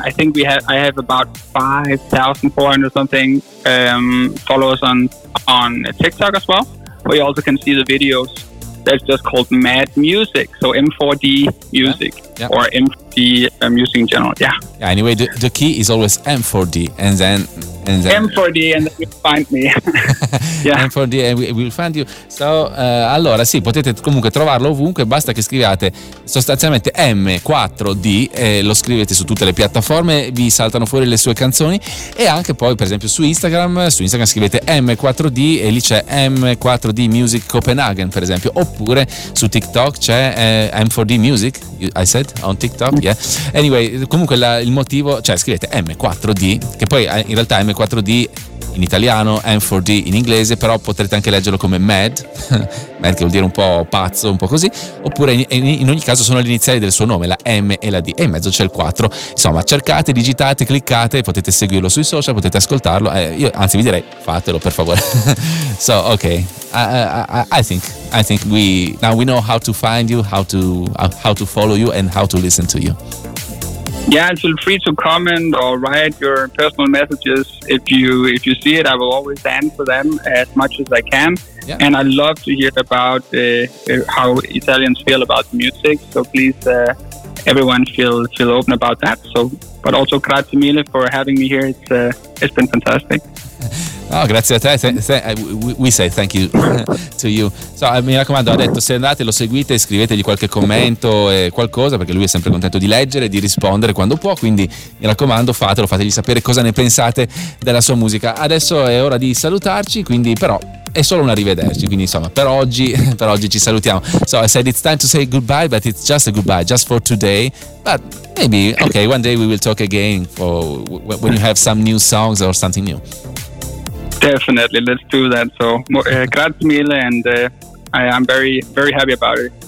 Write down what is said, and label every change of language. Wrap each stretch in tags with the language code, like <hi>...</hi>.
<en>I think I have about 5,400 something followers on TikTok as well. Where you also can see the videos. That's just called Mad Music. So M4D Music, or M4D Music in general. Yeah. Yeah. Anyway, the key is always M4D, and then M4D, and then you find me. Yeah. M4D and we will find you.</en> <it>So allora sì, potete comunque trovarlo ovunque, basta che scriviate sostanzialmente M4D e lo scrivete su tutte le piattaforme, vi saltano fuori le sue canzoni. E anche poi per esempio su Instagram scrivete M4D e lì c'è M4D Music Copenhagen per esempio, oppure su TikTok c'è M4D Music,</it> <en>I said on TikTok, yeah.</en> <it>Anyway, comunque il motivo, cioè scrivete M4D, che poi in realtà M4D in italiano, M4D in inglese, però potrete anche leggerlo come Mad, che vuol dire un po' pazzo, un po' così, oppure in ogni caso sono le iniziali del suo nome, la M e la D, e in mezzo c'è il 4. Insomma, cercate, digitate, cliccate, potete seguirlo sui social, potete ascoltarlo, io anzi vi direi fatelo per favore.</it> <en>So, ok, I think we, now we know how to find you, how to follow you and how to listen to you. Yeah, feel free to comment or write your personal messages. If you see it, I will always answer them as much as I can. Yeah. And I love to hear about how Italians feel about music. So please, everyone feel open about that. So, but also</en> <it>grazie mille</it> <en>for having me here. It's been fantastic.</en> <it>Oh, grazie a te,</it> <en>we say thank you to you.</en> <it>So, mi raccomando, ho detto, se andate lo seguite, scrivetegli qualche commento e qualcosa, perché lui è sempre contento di leggere e di rispondere quando può, quindi mi raccomando fatelo, fategli sapere cosa ne pensate della sua musica. Adesso è ora di salutarci, quindi però è solo un arrivederci, quindi insomma per oggi ci salutiamo.</it> <en>So I said it's time to say goodbye, but it's just a goodbye just for today, but maybe okay, one day we will talk again for when you have some new songs or something new. Definitely, let's do that. So,</en> <it>grazie mille,</it> <en>and I'm very, very happy about it.</en>